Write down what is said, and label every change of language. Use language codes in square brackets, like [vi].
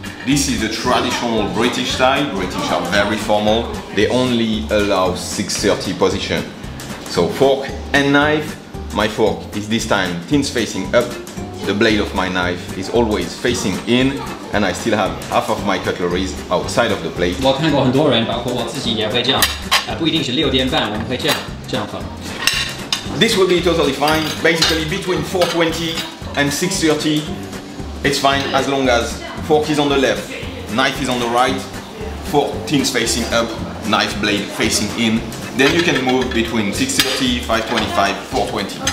[en] This is the traditional British style. British are very formal. They only allow 6:30 position. So fork and knife. My fork is this time thin facing up. The blade of my knife is always facing in, and I still have half of my cutlery outside of the plate. [zh] 我看过很多人，包括我自己也会这样，不一定是六点半，我们会这样放。 [en] This will be totally fine. Basically, between 4:20 and 6:30, it's fine as long as fork is on the left, knife is on the right, fork thin facing up, knife blade facing in. Then you can move between 6:30, 5:25, 4:20.